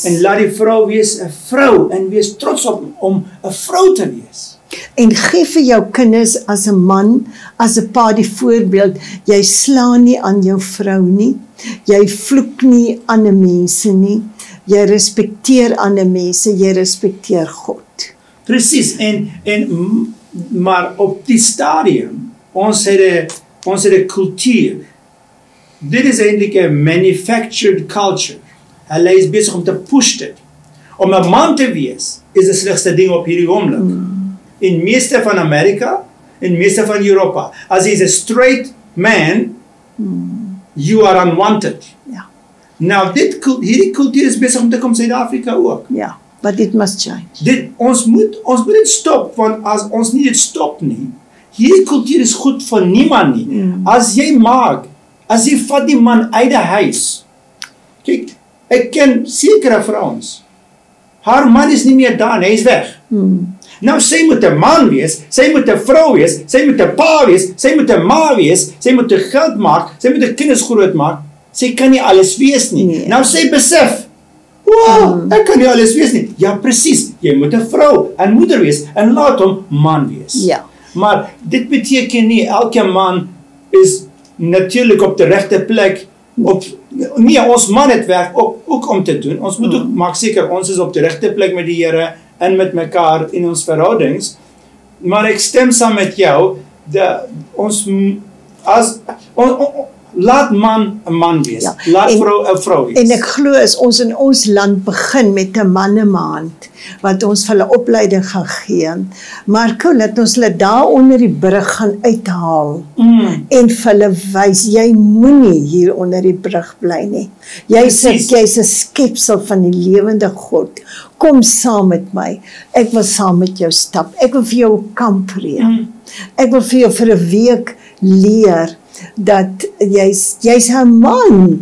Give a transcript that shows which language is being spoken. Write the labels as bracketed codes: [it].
[af] En laat die vrou wees 'n vrou en wees trots op om 'n vrou te wees. En gee vir jou kinders as 'n man, as 'n pa die voorbeeld, jy slaan nie aan jou vrou nie, jy vloek nie aan 'n mense nie, jy respekteer ander mense, jy respekteer God. Precies, en maar op die stadium, ons het een cultuur. Dit is eigenlijk een manufactured culture. Hulle is bezig om te push dit. Om een man te wees, is de slechtste ding op hierdie oomblik. In meeste van Amerika, in meeste van Europa. [en] As he is a straight man, you are unwanted. Yeah. [af] Now, hierdie cultuur is bezig om te kom Zuid-Afrika ook. [en] Ja, yeah, but it must change. [af] Ons moet dit stop, want as ons nie dit stop nie, hierdie cultuur is goed vir niemand nie. As jy vat die man uit die huis, kijk, ek ken sekere vrouens, haar man is nie meer daar, hy is weg. Nou, sy moet een man wees, sy moet een vrou wees, sy moet een pa wees, sy moet een ma wees, sy moet een geld maak, sy moet een kinders groot maak, sy kan nie alles wees nie. Nee. Nou, sy besef, ek kan nie alles wees nie. Ja, precies, jy moet een vrou en moeder wees en laat hom man wees. Ja. Maar dit beteken nie, elke man is natuurlijk op de rechte plek, ons man het werk ook om te doen. Ons moet ook, maak zeker, ons is op de rechte plek met die Here en met mekaar in ons verhoudings. Maar ek stem saam met jou, laat man een man wees, ja. Laat vrou een vrou wees. En ek glo as ons in ons land begin met een mannemaand, wat ons vir hulle opleiding gaan gee, Marko, laat ons hulle daar onder die brug gaan uithaal, en vir hulle wys, jy moet nie hier onder die brug bly nie, jy is een skepsel van die lewende God, kom saam met my, ek wil saam met jou stap, ek wil vir jou kamp reen, ek wil vir jou vir 'n week leer, dat jy is haar man.